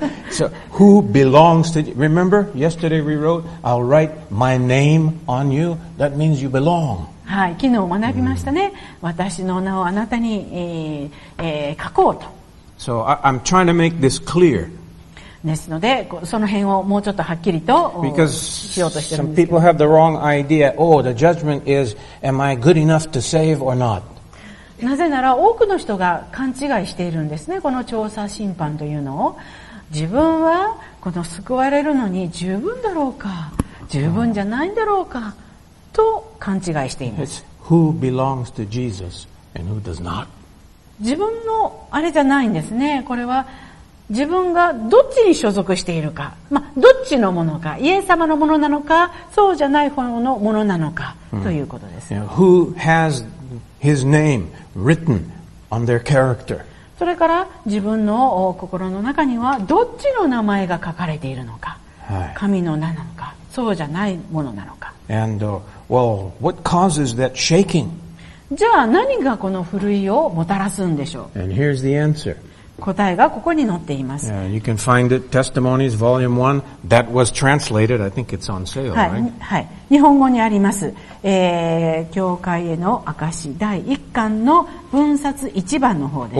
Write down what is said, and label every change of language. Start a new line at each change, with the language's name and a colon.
English: So, who belongs to, remember, yesterday we wrote, I'll write my name on you. That means you belong.
Japanese: はい。昨日学びましたね。Mm. 私の名をあなたに、書こうと。
English: So, I'm trying to make this clear.
Japanese: ですので、その辺をもうちょっとはっきりとしようとしてるんですけど。
English: Some people have the wrong idea. Oh, the judgment is, am I good enough to save or not?
Japanese: なぜなら多くの人が勘違いしているんですね。この調査審判というのを自分はこの救われるのに十分だろうか十分じゃないんだろうかと勘違いしています。
English: Who belongs to Jesus and who does not?
Japanese: 自分のあれじゃないんですね。これは自分がどっちに所属しているか、まあ、どっちのものかイエス様のものなのかそうじゃない方のものなのか、うん、ということです。
English: yeah, Who hasHis name written on their character.
Japanese: それから自分の心の中にはどっちの名前が書かれているのか、はい、神の名なのか、そうじゃないものなのか。
English: And well, what causes that shaking?
Japanese: じゃあ何がこの震いをもたらすんでしょう。
English: And here's the answer.
Japanese: 答えがここに載っています。
English: Yeah, you can find it. Testimonies, Volume 1. That was translated. I think it's on sale,
Japanese: はい、
English: right?
Japanese: はい、日本語にあります。教会への証第一巻の分冊一番の方です。